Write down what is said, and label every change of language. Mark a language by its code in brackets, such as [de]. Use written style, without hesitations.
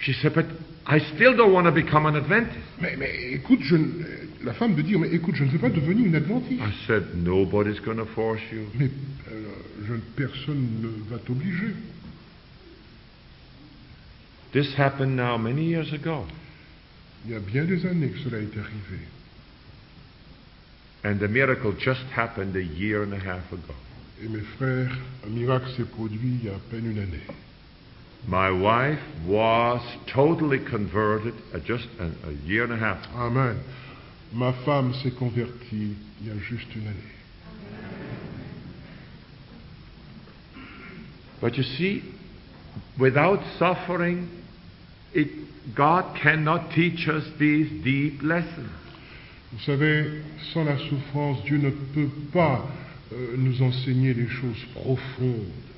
[en] She said, but I still don't want to become an Adventist. [fr] Mais écoute, la femme de dire, mais écoute, je ne veux pas devenir une Adventiste. [en] I said, nobody's going to force you. [fr] Mais personne ne va t'obliger. [en] This happened now many years ago. [fr] Il y a bien des années que cela est arrivé. [en] And the miracle just happened a year and a half ago. [fr] Et mes frères, un miracle s'est produit il y a à peine une année. [en] My wife was totally converted just a year and a half. Amen. [fr] Ma femme s'est convertie il y a juste une année. [en] But you see, without suffering, God cannot teach us these deep lessons. [fr] Vous savez, sans la souffrance, Dieu ne peut pas nous enseigner les choses profondes.